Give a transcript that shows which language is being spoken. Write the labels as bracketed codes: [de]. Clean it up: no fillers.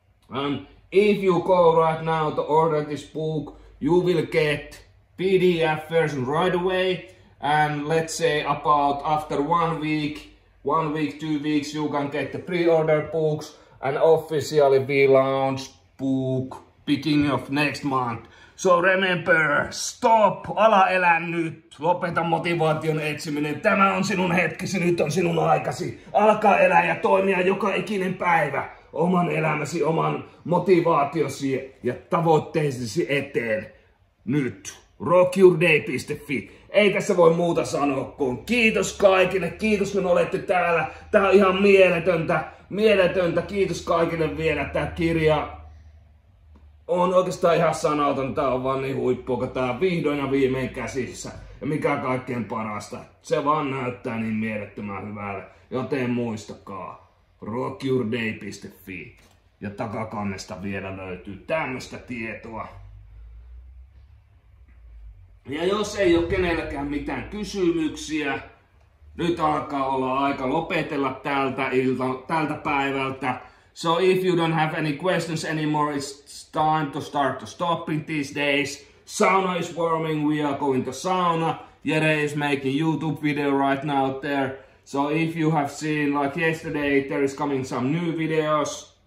[en] And if you go right now to order this book, you will get PDF version right away. And let's say about after one week, 2 weeks, you can get the pre-order books. And officially we launch book beginning of next month. So remember, stop, [fi] ala elä nyt, lopeta motivaation etsiminen, tämä on sinun hetkesi, nyt on sinun aikasi. Alkaa elää ja toimia joka ikinen päivä oman elämäsi, oman motivaatiosi ja tavoitteisesi eteen. Nyt, rockyourday.fi. Ei tässä voi muuta sanoa kuin kiitos kaikille, kiitos kun olette täällä. Tämä on ihan mieletöntä, kiitos kaikille vielä tämä kirja. On oikeastaan ihan sanaton, tää on vaan niin huippua, kun tää on vihdoin ja viimein käsissä. Ja mikä kaikkein parasta, se vaan näyttää niin mielettömän hyvältä. Joten muistakaa, rockyourday.fi. Ja takakannesta vielä löytyy tämmöstä tietoa. Ja jos ei ole kenelläkään mitään kysymyksiä, nyt alkaa olla aika lopetella tältä päivältä. [en] So if you don't have any questions anymore, it's time to start to stop in these days. Sauna is warming, we are going to sauna. Jere is making YouTube video right now there. So if you have seen, like yesterday, there is coming some new videos.